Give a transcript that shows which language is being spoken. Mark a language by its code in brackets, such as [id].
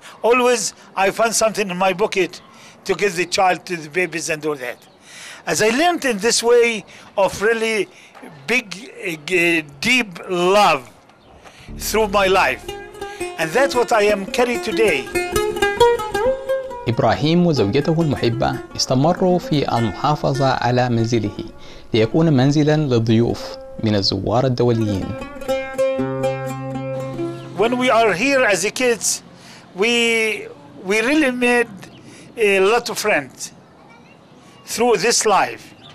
[en] Always I find something in my pocket to give the child to the babies and all that. As I learned in this way of really big, deep love through my life. And that's what I am carrying today. [ar] إبراهيم وزوجته المحبة استمروا في المحافظة على منزله ليكون منزلاً للضيوف من الزوار الدوليين. [en] When we are here as kids, we really made a lot of friends through this life.